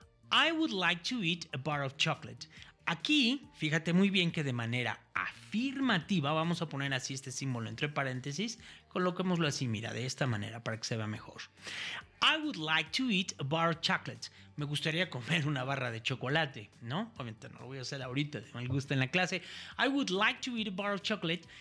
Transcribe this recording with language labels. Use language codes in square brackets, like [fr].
[en] I would like to eat a bar of chocolate. [es] Aquí, fíjate muy bien que de manera afirmativa, vamos a poner así este símbolo entre paréntesis, coloquémoslo así, mira, de esta manera para que se vea mejor. [en] I would like to eat a bar of chocolate. [es] Me gustaría comer una barra de chocolate, ¿no? Obviamente no lo voy a hacer ahorita, de mal gusto en la clase. [en] I would like to eat a bar of chocolate.